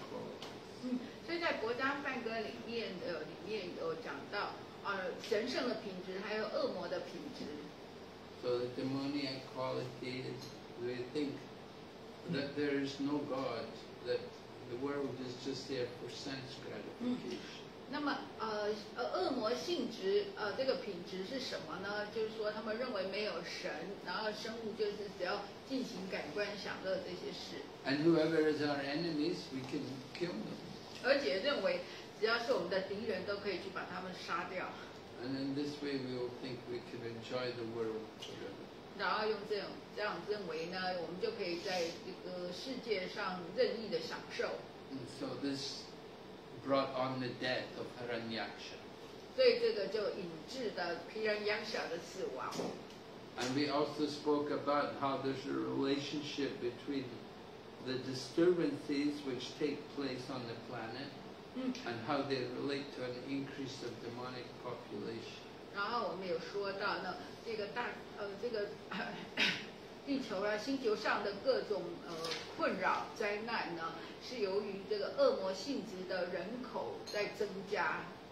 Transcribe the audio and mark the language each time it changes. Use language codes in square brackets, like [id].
[en] qualities. So the demoniac quality is we think that there is no God, that the world is just there for sense gratification. [zh] 那么，恶魔性质，这个品质是什么呢？就是说，他们认为没有神，然后生物就是只要进行感官享乐这些事。 [en] And whoever is our enemies, we can kill them. [zh] 而且认为，只要是我们的敌人，都可以去把他们杀掉。 [en] And in this way, we will think we can enjoy the world forever. [zh] 然后用这样认为呢，我们就可以在这个世界上任意的享受。 [en] So this brought on the death of Hiranyaksha. [zh] 所以这个就引致的 Hiranyaksha 的死亡。 [en] And we also spoke about how there's a relationship between the disturbances which take place on the planet and how they relate to an increase of demonic population. [zh] 然后我们有说到呢，这个大这个地球啊，星球上的各种困扰灾难呢，是由于这个恶魔性质的人口在增加。